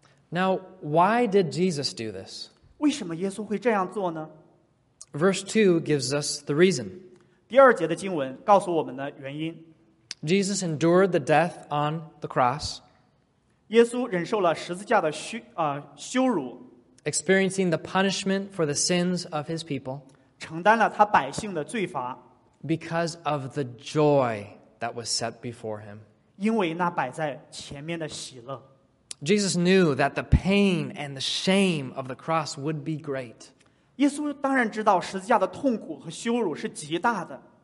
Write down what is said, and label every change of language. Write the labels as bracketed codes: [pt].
[en] Now, why did Jesus do this? [zh] 为什么耶稣会这样做呢? [en] Verse 2 gives us the reason. [zh] 第二节的经文告诉我们的原因。 [en] Jesus endured the death on the cross. [zh] 耶稣忍受了十字架的羞辱。 [en] Experiencing the punishment for the sins of his people. [zh] 承担了他百姓的罪罚。 [en] Because of the joy that was set before him. [zh] 因为那摆在前面的喜乐。 [en] Jesus knew that the pain and the shame of the cross would be great. [zh] 耶稣当然知道十字架的痛苦和羞辱是极大的。